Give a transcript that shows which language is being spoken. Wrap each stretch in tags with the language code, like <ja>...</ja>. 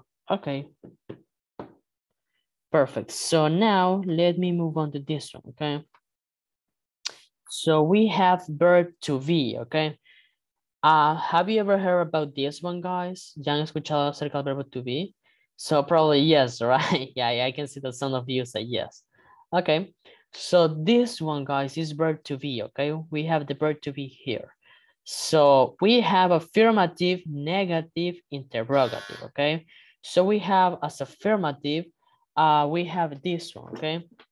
<en>Okay. Perfect. So now let me move on to this one, okay? So we have verb to be, okay? Have you ever heard about this one, guys?</en> <es>¿Ya han escuchado acerca del verbo to be?</es> <en>So probably yes, right? Yeah, I can see that some of you say yes. Okay, so this one, guys, is verb to be, okay? We have the verb to be here. So we have affirmative, negative, interrogative, okay? So we have as affirmative, we have this one, okay?</en>